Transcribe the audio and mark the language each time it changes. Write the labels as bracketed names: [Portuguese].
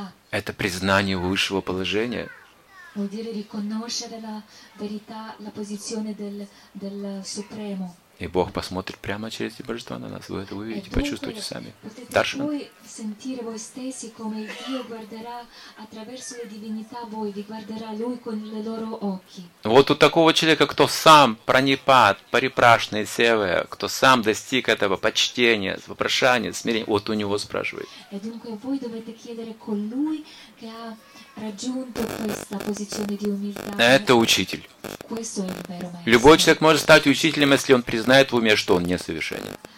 [Russian] Это признание высшего положения. [Italian] Vuol dire riconoscere la verità, la posizione del Supremo. [Russian] И Бог посмотрит прямо через эти божества на нас. Вы это увидите, почувствуете сами. Даршан. [Italian] Potete voi sentire voi stessi come Dio guarderà attraverso le divinità voi, vi guarderà Lui con le loro occhi. [Russian] Вот у такого человека, кто сам пранипат, парипрашна и севая, кто сам достиг этого почтения, вопрошания, смирения, вот у него спрашивает. [Italian] E dunque voi dovete chiedere colui che ha raggiunto questa posizione di umiltà. [Russian] Это учитель. Любой человек может стать учителем, если он признает в уме, что он несовершенен.